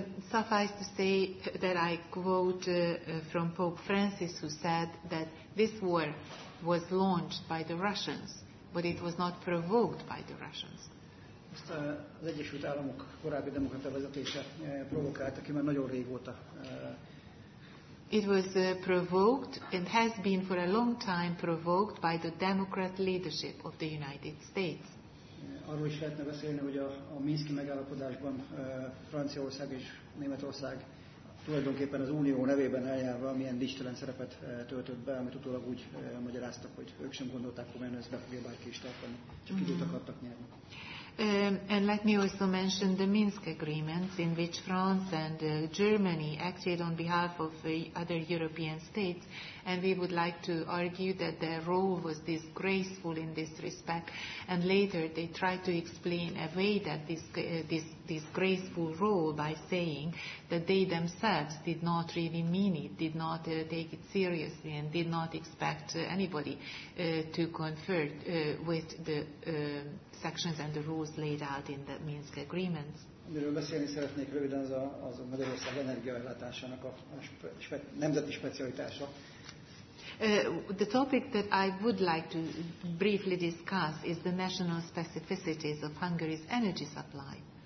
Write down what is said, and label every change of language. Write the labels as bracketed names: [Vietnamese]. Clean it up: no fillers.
[English] Suffice to say that I quote from Pope Francis, who said that this war was launched by the Russians, but it was not provoked by the Russians. [Hungarian] Ezt az Egyesült Államok korábbi demokrata vezetése provokálta ki, mert nagyon régóta. [English] It was provoked and has been for a long time provoked by the Democrat leadership of the United States. [Hungarian] Arról is lehetne beszélni, hogy a Minszki megállapodásban Franciaország és Németország tulajdonképpen az Unió nevében eljárva milyen dicsitelen szerepet töltött be, amit utólag úgy magyaráztak, hogy ők sem gondolták, hogy ezt be fogja bárki is tartani, csak időt akartak nyerni. [English] And let me also mention the Minsk agreements in which France and Germany acted on behalf of other European states, and we would like to argue that their role was disgraceful in this respect, and later they tried to explain away that this disgraceful role by saying that they themselves did not really mean it, did not take it seriously, and did not expect anybody to confer with the sections and the rules laid out in the Minsk agreements. [Hungarian] Amiről beszélni szeretnék röviden, az a Magyarország energiaellátásának a nemzeti specialitása. [English] The topic that I would like to briefly discuss is the national specificities of Hungary's energy supply.